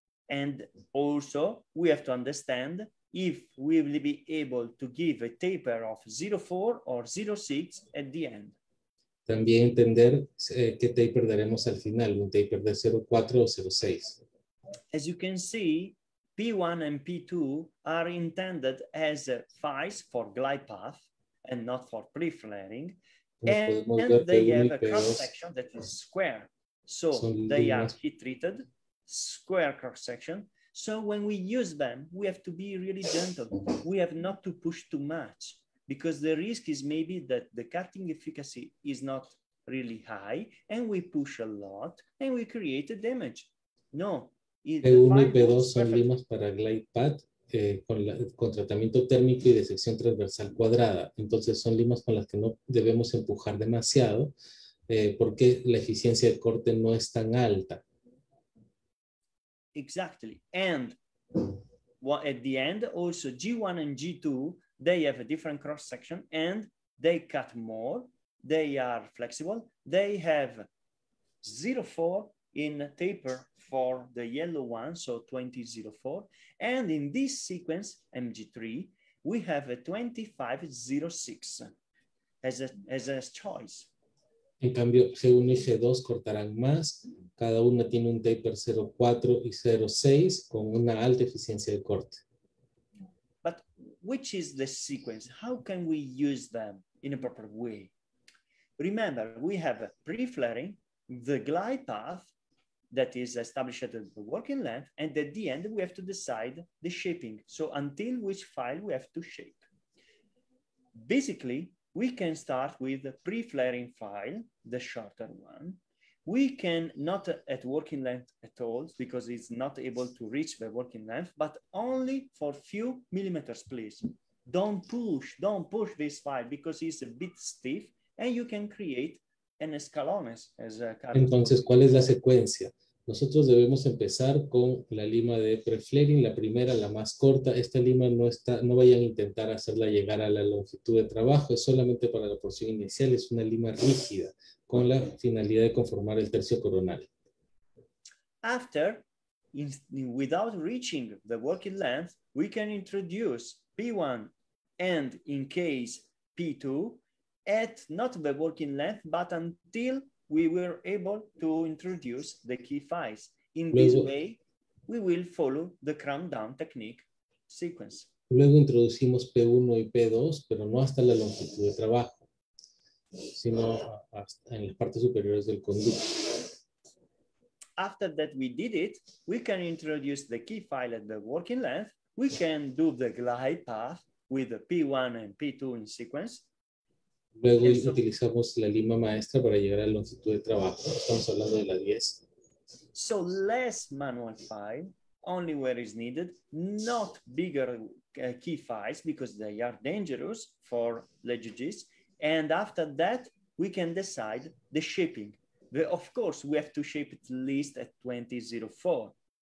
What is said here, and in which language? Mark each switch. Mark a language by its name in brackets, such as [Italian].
[English] And also, we have to understand if we will be able to give a taper of 0.4 or 0.6 at the end. [Spanish] También entender qué taper daremos al final, un taper de 0.4 o 0.6. [English] As you can see, P1 and P2 are intended as files for glide path and not for pre-flaring. And they have a cross-section that is square. So they are heat-treated, square cross-section. So when we use them, we have to be really gentle. We have not to push too much because the risk is maybe that the cutting efficacy is not really high and we push a lot and we create a damage. No. [Spanish] P1 y P2 son limas para glide path con tratamiento térmico y de sección transversal cuadrada. Entonces son limas con las que no debemos empujar demasiado porque la eficiencia de corte no es tan alta. [English] Exactly. And at the end also G1 and G2, they have a different cross section and they cut more, they are flexible, they have 0.4 in taper for the yellow one, so 20.04, and in this sequence MG3 we have a 25.06 as a choice. [Spanish] En cambio, G1 y G2 cortarán más, cada una tiene un taper 0.4 y 0.6 con una alta eficiencia de corte. [English] But which is the sequence? How can we use them in a proper way? Remember, we have pre-flaring, the glide path, that is established at the working length, and at the end we have to decide the shaping. So until which file we have to shape. Basically, we can start with the pre-flaring file, the shorter one. We can not at working length at all because it's not able to reach the working length, but only for few millimeters, please. Don't push this file because it's a bit stiff and you can create an escalones. [Spanish] Entonces, ¿cuál es la secuencia? Nosotros debemos empezar con la lima de pre-flaring, la primera, la más corta. Esta lima no está, no vayan a intentar hacerla llegar a la longitud de trabajo, es solamente para la porción inicial, es una lima rígida con la finalidad de conformar el tercio coronal. [English] After, without reaching the working length, we can introduce P1 and in case P2 at not the working length, but until we were able to introduce the key files. In this way, we will follow the crown down technique sequence. [Spanish] Luego introducimos P1 y P2, pero no hasta la longitud de trabajo, sino hasta en las partes superiores del conducto. [English] After that we did it, we can introduce the key file at the working length. We can do the glide path with the P1 and P2 in sequence. [Spanish] Luego utilizamos la lima maestra para llegar a la longitud de trabajo. Estamos hablando de la 10. [English] So less manual file, only where is needed, not bigger key files because they are dangerous for the judges. And after that, we can decide the shaping. The, of course, we have to shape at least at 20.04.